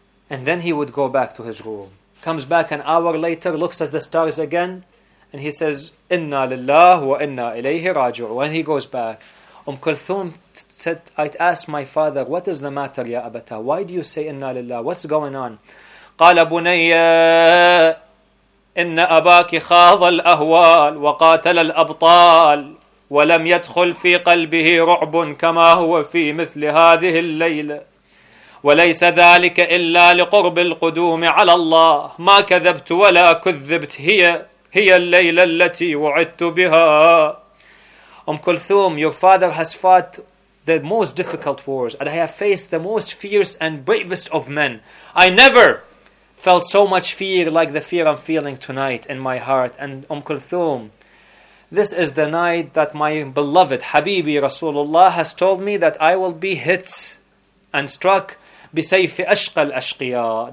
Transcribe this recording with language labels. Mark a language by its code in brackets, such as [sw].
[en] And then he would go back to his room. Comes back an hour later, looks at the stars again, and he says, Inna lillah wa inna ilayhi raji'un. When he goes back, Kulthum said, I'd asked my father, What is the matter, Ya Abata? Why do you say Inna lillah? What's going on? [ar] Qala bunayya. إن أباك خاض الأهوال وقاتل الأبطال ولم يدخل في قلبه رعب كما هو في مثل هذه الليلة وليس ذلك إلا لقرب القدوم على الله ما كذبت ولا كذبت هي الليلة التي وعدت بها [en] Kulthum, your father has fought the most difficult wars and I have faced the most fierce and bravest of men. I never felt so much fear like the fear I'm feeling tonight in my heart. And Kulthum, this is the night that my beloved Habibi Rasulullah has told me that I will be hit and struck [ar] بِسَيْفِ أَشْقَى الْأَشْقِيَا.